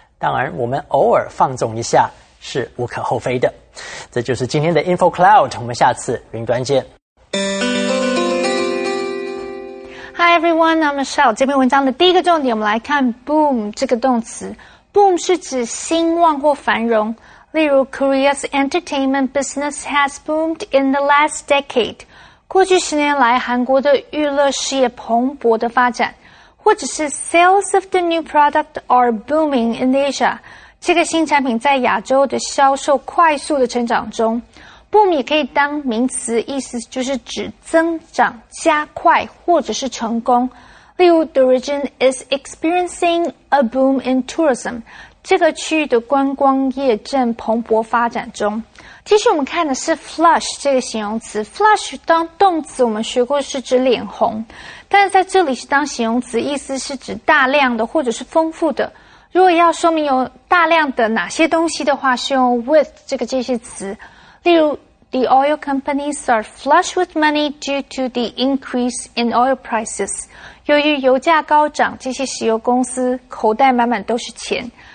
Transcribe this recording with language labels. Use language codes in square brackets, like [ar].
[zh] 当然我们偶尔放纵一下, 是无可厚非的。这就是今天的Info Cloud, 我们下次云端见。 [en] Hi everyone, I'm Michelle. [zh] 这篇文章的第一个重点, 我们来看boom这个动词。 boom是指兴旺或繁荣。 [en] 例如, Korea's entertainment business has boomed in the last decade. [zh] 过去10年来, 韩国的娱乐事业蓬勃的发展, 或者是 [en] sales of the new product are booming in Asia. [zh] 这个新产品在亚洲的销售快速的成长中。 boom也可以当名词, 意思就是指增长加快或者是成功。 [en] 例如, the region is experiencing a boom in tourism. [zh] 这个区域的观光业正蓬勃发展中。接续我们看的是flush这个形容词。 flush当动词我们学过是指脸红。但是在这里是当形容词, 意思是指大量的或者是丰富的。如果要说明有大量的哪些东西的话, 是用with这个介词。 [en] 例如, the oil companies are flush with money due to the increase in oil prices. [zh] 由于油价高涨, 这些石油公司口袋满满都是钱。